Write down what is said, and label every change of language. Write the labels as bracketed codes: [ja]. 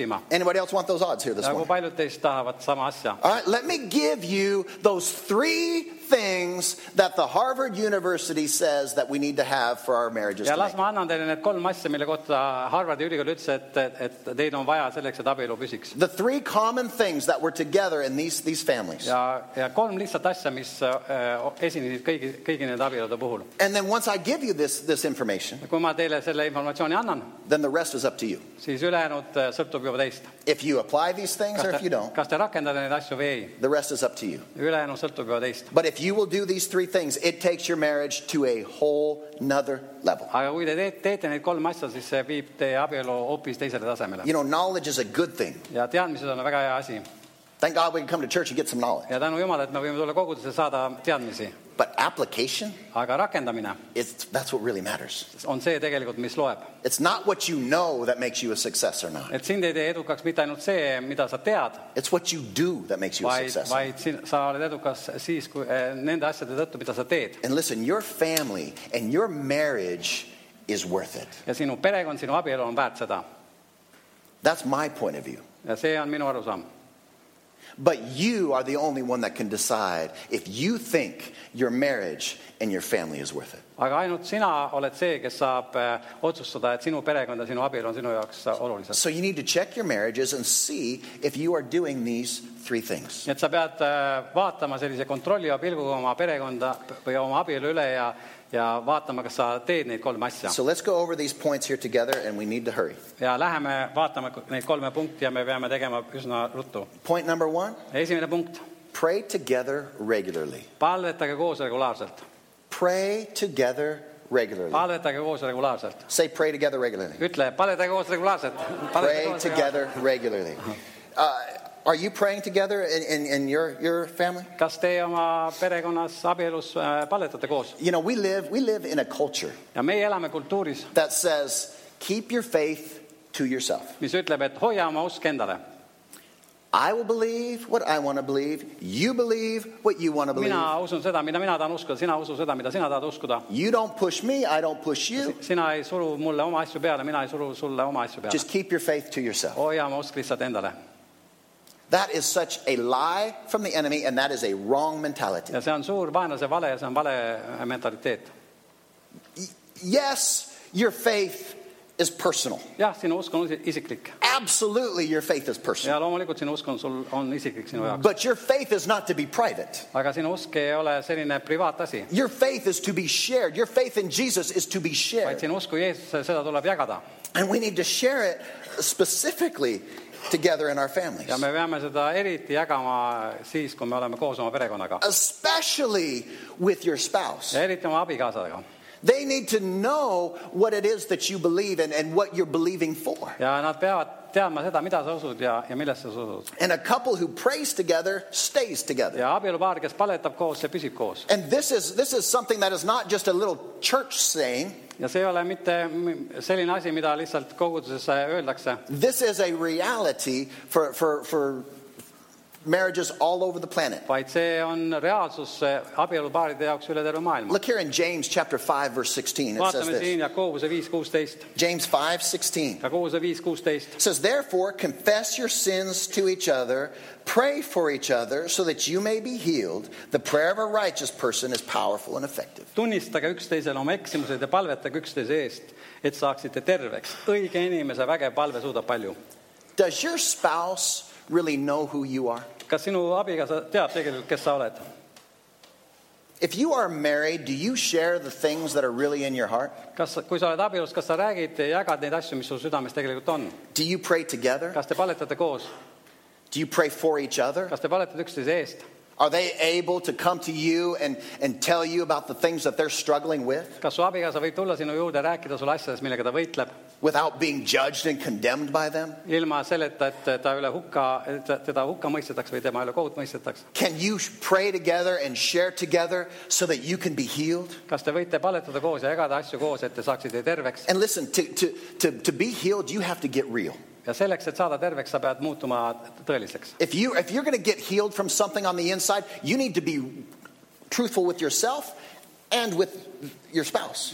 [en] Anybody else want those odds here this morning? All right, let me give you those three things that the Harvard University says that we need to have for our marriages. [et] Ja las ma annan teile need kolm asja, mille kohta Harvardi ülikool ütles, et et teid on vaja selleks, et abielu püsiks. [en] The three common things that were together in these families. [et] Ja kolm lihtsalt asja, mis esinesid kõigi need abielude puhul. [en] And then once I give you this information, [et] kui ma teile selle informatsiooni annan, [en] then the rest is up to you. [et] Siis ülejäänud sõltub juba teist. [en] If you apply these things or if you don't, [et] kas te rakendate need asju või ei, [en] the rest is up to you. [et] Ülejäänud sõltub juba teist. [en] But if you will do these three things, it takes your marriage to a whole another level. [et] Aga kui te teete need kolm asja, siis see viib teie abielu hoopis teisele tasemele. [en] You know, knowledge is a good thing. [et] Ja teadmised on väga hea asi. [en] Thank God we can come to church and get some knowledge. [et] Ja tänu Jumala, et me võime tulla kogudusse saada teadmisi. [en] But application, [et] aga rakendamine, [en] that's what really matters. [et] On see tegelikult, mis loeb. [en] It's not what you know that makes you a success or not. [et] Et sind ei tee edukaks mitte ainult see, mida sa tead. [en] It's what you do that makes you a success. [et] Vaid sa oled edukas siis, kui nende asjade tõttu, mida sa teed. [en] And listen, your family and your marriage is worth it. [et] Ja sinu perekond, sinu abielu on väärt seda. [en] That's my point of view. [et] Ja see on minu arusaam. [en] But you are the only one that can decide if you think your marriage and your family is worth it. [et] Aga ainult sina oled see, kes saab otsustada, et sinu perekonda, sinu abil on sinu jaoks olulised. [en] So you need to check your marriages and see if you are doing these three things. [et] Et sa pead vaatama sellise kontrolli ja pilguga oma perekonda või oma abil üle ja vaatama, kas sa teed neid kolme asja. [en] So let's go over these points here together and we need to hurry. [et] Ja läheme vaatama neid kolme punkti ja me peame tegema üsna ruttu. [en] Point number one. [et] Esimene punkt. [en] Pray together regularly. [et] Palvetage koos regulaarselt. [en] Pray together regularly. [et] Palvetage koos regulaarselt. [en] Say pray together regularly. [et] Ütle, palvetage koos regulaarselt. [en] Pray together regularly. Are you praying together in your family? [et] Kas te oma perekonnas abielus palvetate koos? [en] You know, we live in a culture. [et] Ja me elame kultuuris. [en] That says keep your faith to yourself. [et] Mis ütleb, et hoia oma usk endale. [en] I will believe what I want to believe. You believe what you want to believe. [et] Mina usun seda, mida mina tahan uskuda. Sina usun seda, mida sina tahad uskuda. [en] You don't push me, I don't push you. [et] Sina ei suru mulle oma asju peale, mina ei suru sulle oma asju peale. [en] Just keep your faith to yourself. [et] Hoia oma usk lihtsalt endale. [en] That is such a lie from the enemy, and that is a wrong mentality. [et] Ja see on suur vaenlase vale, see on vale mentaliteet. [en] Yes, your faith is personal. [et] Ja, sinu usk on isiklik. [en] Absolutely, your faith is personal. [et] Ja loomulikult sinu usk on sul on isiklik sinu jaoks. [en] But your faith is not to be private. [et] Aga sinu usk ei ole selline privaat asi. [en] Your faith is to be shared. Your faith in Jesus is to be shared. [et] Vaid sinu usku Jeesus seda tuleb jagada. [en] And we need to share it specifically together in our families. [et] Ja me peame seda eriti jagama siis, kui me oleme koos oma perekonnaga. [en] Especially with your spouse. [et] Ja eriti oma abikaasadega. [en] They need to know what it is that you believe in and what you're believing for. [et] Ja nad peavad teadma seda, mida sa usud ja millest sa usud. [en] And a couple who prays together stays together. [et] Ja abielu paar, kes paletab koos, see püsib koos. [en] And this is something that is not just a little church saying. [et] Ja see ei ole mitte selline asi, mida lihtsalt koguduses öeldakse. [en] This is a reality for marriages all over the planet. [et] Vaid see on reaalsus abielu paaride jaoks üle terve maailma. [en] Look here in James chapter 5 verse 16. It [et] vaatame [en] says [et] siin Jakobuse 5:16. [en] James 5:16. [et] Jakobuse 5:16. [en] Says therefore confess your sins to each other, pray for each other so that you may be healed. The prayer of a righteous person is powerful and effective. [et] Tunnistage üksteisele oma eksimused ja palvetage üksteise eest, et saaksite terveks. Õige inimese vägev palve suudab palju. [en] Does your spouse really know who you are? [et] Kas sinu abikaasa teab tegelikult, kes sa oled? [en] If you are married, do you share the things that are really in your heart? [et] Kas kui sa oled abielus, kas sa räägid ja jagad neid asju, mis sul südames tegelikult on? [en] Do you pray together? [et] Kas te palvetate koos? [en] Do you pray for each other? [et] Kas te palvetate üksteise eest? [en] Are they able to come to you and tell you about the things that they're struggling with? [et] Kas su abikaasa võib tulla sinu juurde rääkida sul asjades, millega ta võitleb? [en] Without being judged and condemned by them? [et] Ilma selleta, et ta üle hukka, teda hukka mõistetaks või tema üle kohut mõistetaks. [en] Can you pray together and share together so that you can be healed? [et] Kas te võite paletada koos ja jagada asju koos, et te saaksite terveks? [en] And listen, to be healed, you have to get real. [et] Ja selleks, et saada terveks, sa pead muutuma tõeliseks. [en] If you're going to get healed from something on the inside, you need to be truthful with yourself and with your spouse.